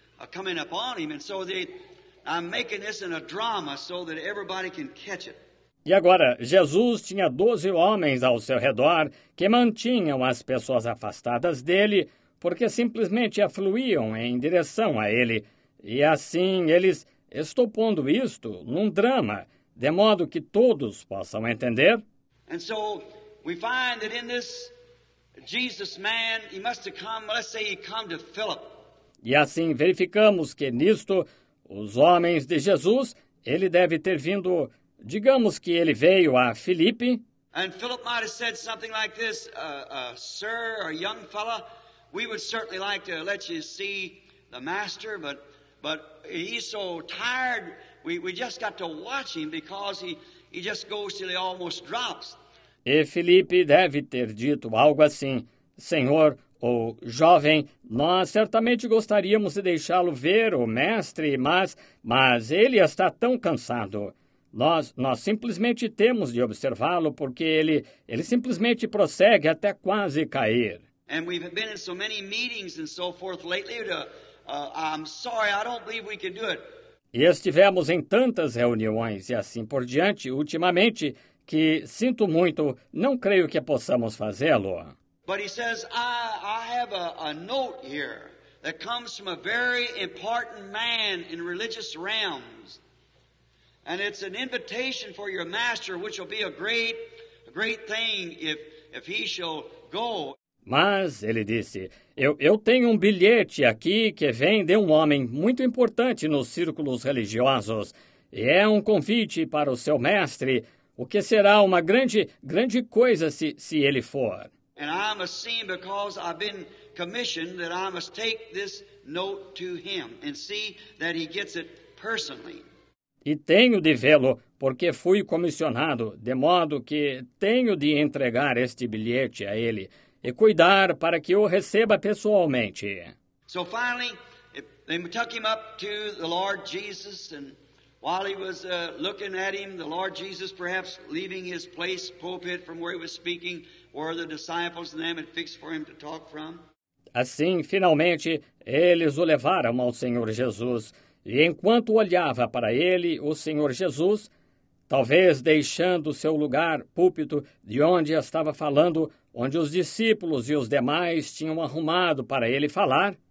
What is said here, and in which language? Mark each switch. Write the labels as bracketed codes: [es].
[en] Coming up on him, and so I'm making this in a drama so that everybody can catch it. [pt] E agora, Jesus tinha 12 homens ao seu redor que mantinham as pessoas afastadas dele porque simplesmente afluíam em direção a ele. E assim, eles estão pondo isto num drama, de modo que todos possam entender. [en] And so, we find that in this Jesus man, he must have come, let's say he come to Philip. [pt] E assim verificamos que nisto, os homens de Jesus, ele deve ter vindo, digamos que ele veio a Filipe. [en] And Philip might have said something like this, sir, or young fella, we would certainly like to let you see the master, but he's so tired, we just got to watch him because he just goes till he almost drops. [pt] E Filipe deve ter dito algo assim, senhor, ou, jovem, nós certamente gostaríamos de deixá-lo ver o mestre, mas ele está tão cansado. Nós simplesmente temos de observá-lo, porque ele simplesmente prossegue até quase cair. [en] And we've been in so many meetings and so forth lately, I'm sorry, I don't believe we can do it. [pt] E estivemos em tantas reuniões e assim por diante, ultimamente, que sinto muito, não creio que possamos fazê-lo. [en] But he says, I have a note here that comes from a very important man in religious realms. And it's an invitation for your master, which will be a great thing if he shall go. [pt] Mas, ele disse, eu tenho um bilhete aqui que vem de um homem muito importante nos círculos religiosos. E é um convite para o seu mestre, o que será uma grande, grande coisa se ele for. [en] And I must see him because I've been commissioned that I must take this note to him and see that he gets it personally. [pt] E tenho de vê-lo porque fui comissionado, de modo que tenho de entregar este bilhete a ele e cuidar para que o receba pessoalmente. [en] So finally, they took him up to the Lord Jesus, and while he was looking at him, the Lord Jesus perhaps leaving his place, pulpit from where he was speaking, where the disciples and them had fixed for him to talk from. [pt] Assim, finalmente, eles o levaram ao Senhor Jesus. E enquanto olhava para ele, o Senhor Jesus, talvez deixando seu lugar, púlpito, de onde estava falando, onde os discípulos e os demais tinham arrumado para ele falar.